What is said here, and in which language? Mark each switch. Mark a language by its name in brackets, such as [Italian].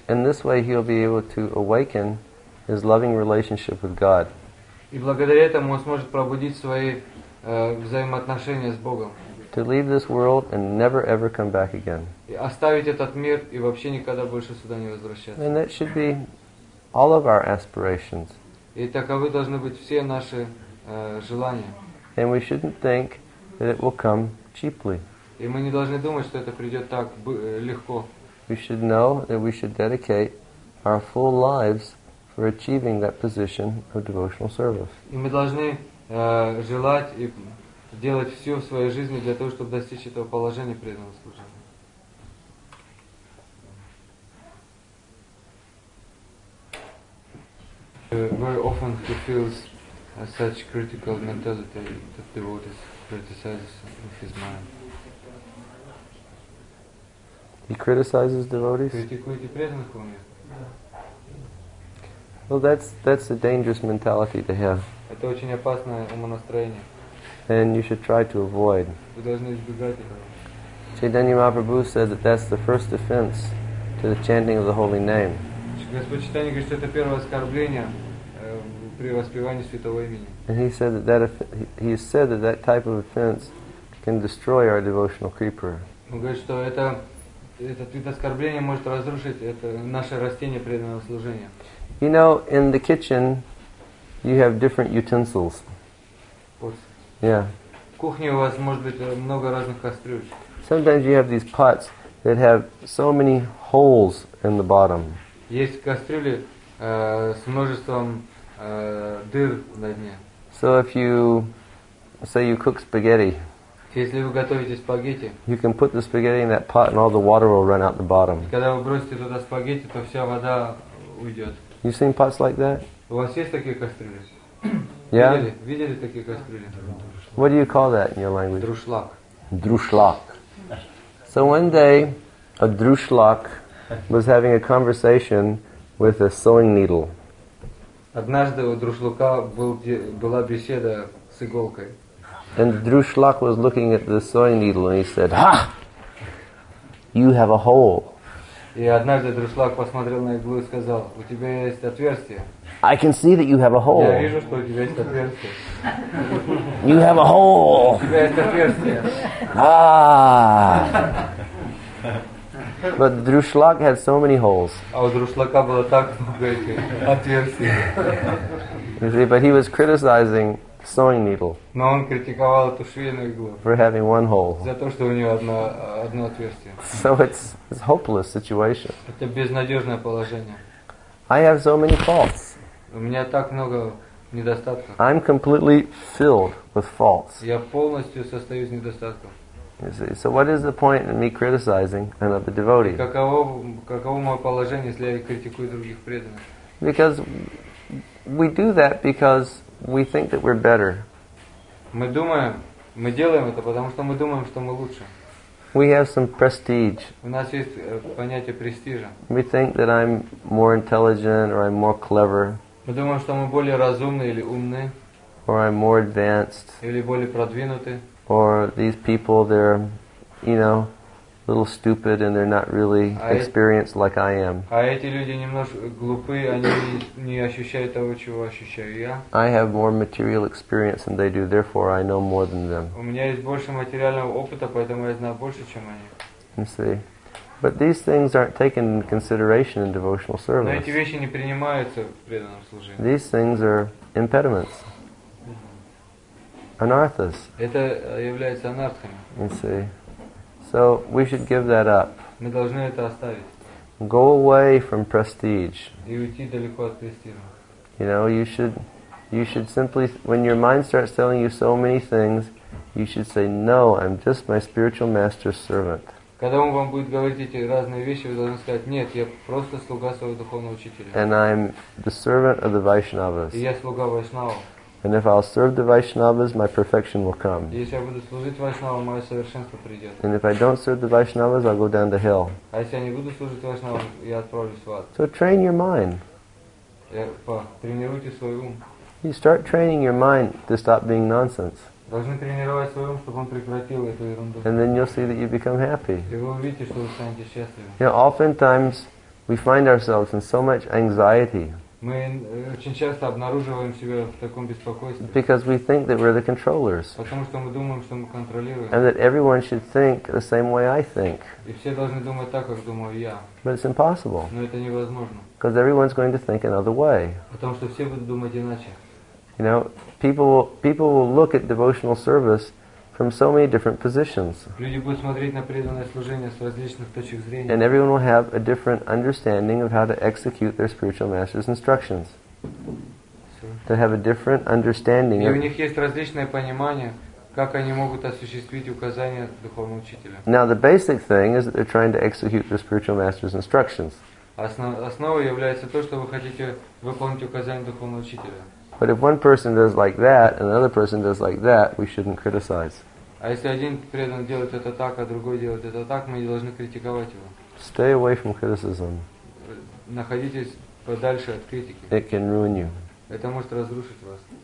[English] In this way, he'll be able to awaken his loving relationship with God. [Russian] И благодаря этому он сможет пробудить свои взаимоотношения с Богом. [English] To leave this world and never ever come back again. [Russian] И оставить этот мир и вообще никогда больше сюда не возвращаться. [English] And that should be all of our aspirations. [Russian] И таковы должны быть все наши желания. [English] And we shouldn't think that it will come cheaply. [Russian] И мы не должны думать, что это придет так легко. [English] We should know that we should dedicate our full lives for achieving that position of devotional service. [Russian] И мы должны желать и делать все в своей жизни для того, чтобы достичь этого положения преданного служения. [English] Very often he feels such critical mentality that devotees criticize in his mind. He criticizes devotees? [Russian] Критикуете преданных в уме? [English] Well, that's a dangerous mentality to have. [Russian] Это очень опасное умонастроение. [English] And you should try to avoid. [Russian] Вы должны избегать этого. [English] Chaitanya Mahaprabhu said that that's the first offense to the chanting of the holy name. [Russian] Господь Чайтанья говорит, что это первое оскорбление при воспевании святого имени. [English] And he said that type of offense can destroy our devotional creeper. [Russian] Он говорит, что этот вид оскорбления может разрушить это наше растение преданного служения. [English] You know, in the kitchen, you have different utensils. Pots. Yeah. [Russian] кухне у вас может быть много разных кастрюль. [English] Sometimes you have these pots that have so many holes in the bottom. [Russian] Есть кастрюли с множеством дыр на дне. [English] So if you say you cook spaghetti, [Russian] если вы готовите спагетти, [English] you can put the spaghetti in that pot and all the water will run out the bottom. [Russian] Когда вы бросите туда спагетти, то вся вода уйдет. [English] You seen pots like that? [Russian] У вас есть такие кастрюли? [English] Yeah. [Russian] Видели такие кастрюли? [English] What do you call that in your language? [Russian] Друшлак. [English] Друшлак. So one day, a друшлак was having a conversation with a sewing needle. [Russian] Однажды у друшлака была беседа с иголкой. [English] And друшлак was looking at the sewing needle and he said, "Ha! You have a hole." [Russian] И однажды друшлак посмотрел на иглу и сказал, "У тебя есть отверстие." [English] I can see that you have a hole. [Russian] Я вижу, что у тебя есть отверстие. [English] You have a hole. [Russian] У тебя есть отверстие. [English] Ah. But the друшлак had so many holes. [Russian] А у друшлака было так много этих отверстий. [English] You see, but he was criticizing the sewing needle. [Russian] Но он критиковал эту швейную иглу. [English] For having one hole. [Russian] За то, что у нее одно отверстие. [English] So it's a hopeless situation. [Russian] Это безнадежное положение. [English] I have so many faults. [Russian] У меня так много недостатков. [English] I'm completely filled with faults. [Russian] Я полностью состою из недостатков. [English] So what is the point in me criticizing another devotee? [Russian] Каково мое положение, если я критикую других преданных? [English] Because we do that because we think that we're better. [Russian] Мы делаем это, потому что мы думаем, что мы лучше. [English] We have some prestige. [Russian] У нас есть понятие престижа. [English] We think that I'm more intelligent or I'm more clever. [Russian] Мы думаем, что мы более разумные или умные. [English] Or I'm more advanced. [Russian] Или более продвинутые. [English] Or these people, they're, you know, a little stupid and they're not really experienced like I am. [Russian] А эти люди немножко глупые, они не ощущают того, чего ощущаю я. [English] I have more material experience than they do, therefore I know more than them. [Russian] У меня есть больше материального опыта, поэтому я знаю больше, чем они. [English] You see. But these things aren't taken in consideration in devotional service. [Russian] Но эти вещи не принимаются в преданном служении. [English] These things are impediments. Anarthas. [Russian] Это является анартхами. [English] You see. So we should give that up. [Russian] Мы должны это оставить. [English] Go away from prestige. [Russian] И уйти далеко от престижа. [English] You know, you should simply, when your mind starts telling you so many things, you should say, "No, I'm just my spiritual master's servant." [Russian] Когда он вам будет говорить эти разные вещи, вы должны сказать, нет, я просто слуга своего духовного учителя. [English] And I'm the servant of the Vaishnavas. [Russian] И я слуга Вайшнава. [English] And if I'll serve the Vaishnavas, my perfection will come. [Russian] Если я буду служить Вайшнавам, мое совершенство придет. [English] And if I don't serve the Vaishnavas, I'll go down to hell. [Russian] А если я не буду служить Вайшнавам, я отправлюсь в ад. [English] So train your mind. [Russian] Тренируйте свой ум. [English] You start training your mind to stop being nonsense. [Russian] Должны тренировать свой ум, чтобы он прекратил эту ерунду. [English] And then you'll see that you become happy. [Russian] И вы увидите, что вы станете счастливым. [English] You know, oftentimes we find ourselves in so much anxiety. [Russian] Мы очень часто обнаруживаем себя в таком беспокойстве. [English] Because we think that we're the controllers. [Russian] Потому что мы думаем, что мы контролируем. [English] And that everyone should think the same way I think. [Russian] И все должны думать так, как думаю я. [English] But it's impossible. [Russian] Но это невозможно. [English] Because everyone's going to think another way. [Russian] Потому что все будут думать иначе. [English] You know, people will look at devotional service from so many different positions. [Russian] Люди будут смотреть на преданное служение с различных точек зрения. [English] And everyone will have a different understanding of how to execute their spiritual master's instructions. So, they have a different understanding. [Russian] И у них есть различное понимание, как они могут осуществить указания духовного учителя. [English] Now the basic thing is that they're trying to execute their spiritual master's instructions. [Russian] Основой является то, что вы хотите выполнить указания духовного учителя. [English] But if one person does like that and another person does like that, we shouldn't criticize. [Russian] А если один преданный делает это так, а другой делает это так, мы не должны критиковать его. [English] Stay away from criticism. [Russian] Находитесь подальше от критики. [English] It can ruin you. [Russian] Это может разрушить вас.